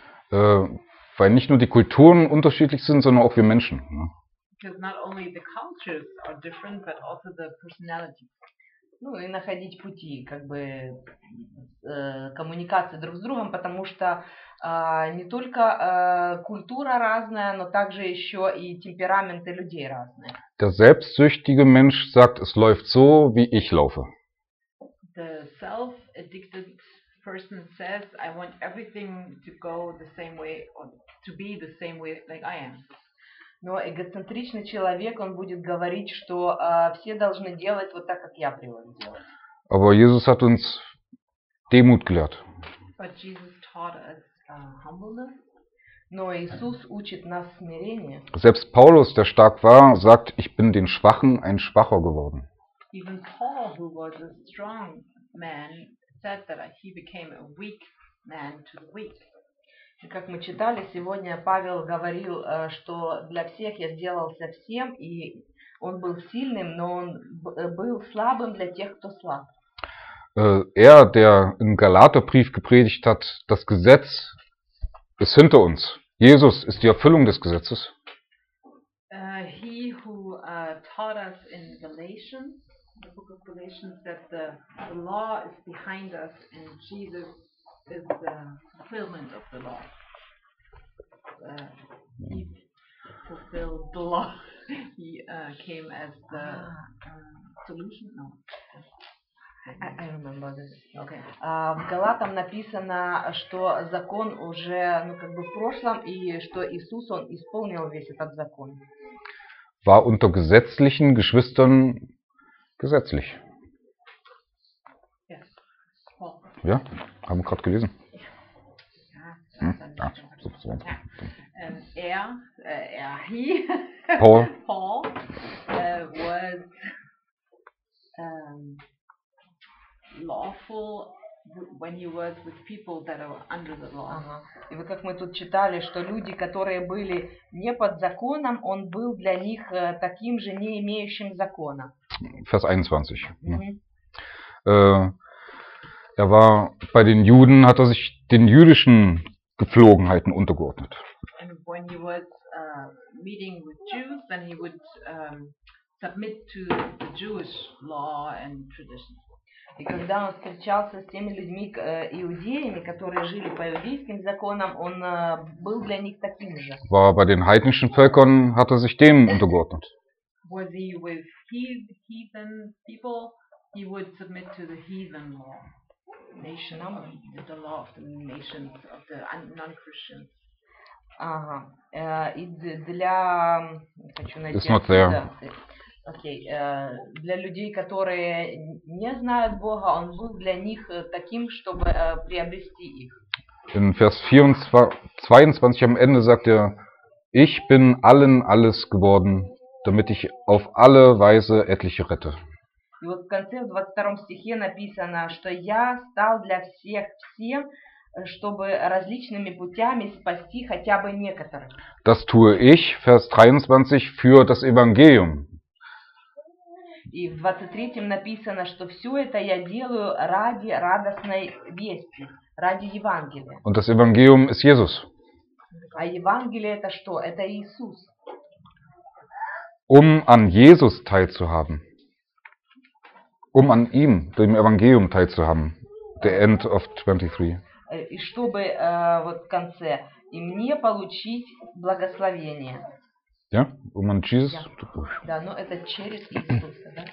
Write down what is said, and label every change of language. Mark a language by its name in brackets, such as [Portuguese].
[German] Weil nicht nur die Kulturen unterschiedlich sind, sondern auch wir Menschen. [English] Because not only the cultures are different, but also the personality. [Russian] Ну и находить пути, как бы, коммуникации друг с другом, потому что не только культура разная, но также еще и темпераменты людей разные. [German] Der selbstsüchtige Mensch sagt, es läuft so, wie ich laufe. [English] The self-addicted person says, I want everything to go the same way, or to be the same way like I am. [Russian] Но эгоцентричный человек, он будет говорить, что все должны делать вот так, как я привык делать. [German] Aber Jesus hat uns Demut gelehrt. [English] But Jesus taught us humbleness. [Russian] Но Иисус учит нас смирение. [German] Selbst Paulus, der stark war, sagt, ich bin den Schwachen ein Schwacher geworden. [English] Even Paul, who was a strong man, said that he became a weak man to the weak. [Russian] И как мы читали, сегодня Павел говорил, что для всех я сделался всем, и он был сильным, но он был слабым для тех, кто слаб. [German] Er, der im Galaterbrief gepredigt hat, das Gesetz ist hinter uns. Jesus ist die Erfüllung des Gesetzes. [English] He who taught us in Galatians, the book of Galatians, that the law is behind us and Jesus is the fulfillment of the law. He fulfilled the law. He came as the solution. No. I remember this. Okay. [Russian] В Галатам написано, что закон уже, ну как бы в прошлом, и что Иисус он исполнил весь этот закон. [German] War unter gesetzlichen Geschwistern gesetzlich. [English] Yes. [German] Ja, haben wir gerade gelesen. Ja. Hm? Ja. Ja. He. [English] Paul. Paul was. Lawful when he was with people that are under the law. [Russian] Ага. И вот как мы тут читали, что люди, которые были не под законом, он был для них таким же не имеющим закона. [German] Vers 21. Mm-hmm. Er war bei den Juden, hat er sich den jüdischen Gepflogenheiten untergeordnet. [English] And when he was meeting with Jews, then he would submit to the Jewish law and traditions. [Russian] И когда он встречался с теми людьми, иудеями, которые жили по иудейским законам, он был для них таким же. [German] War bei den heidnischen Völkern, hat er sich dem untergeordnet. [English] Was he with heathen people, he would submit to the heathen law, nation, the law of the nations, of the non-Christians. [Russian] Ага. И для... Хочу найти... [English] It's not there. [Russian] Окей, для людей, которые не знают Бога, он был для них таким, чтобы приобрести их. [German] In Vers 22 am Ende sagt er, ich bin allen alles geworden, damit ich auf alle Weise etliche rette. [Russian] И вот в конце, в 22 стихе написано, что я стал для всех всем, чтобы различными путями спасти хотя бы некоторых. [German] Das tue ich, Vers 23, für das Evangelium. [Russian] И в 23-м написано, что все это я делаю ради радостной вести, ради Евангелия. [German] Und das Evangelium ist Jesus. [Russian] А Евангелие это что? Это Иисус. [German] Um an Jesus teilzuhaben. Um an ihm, dem Evangelium teilzuhaben. [English] The end of 23. [Russian] И чтобы вот в конце, и мне получить благословение. [German] Ja, um an Jesus. Ja. Ja, nur [Russian] это через Иисуса, да?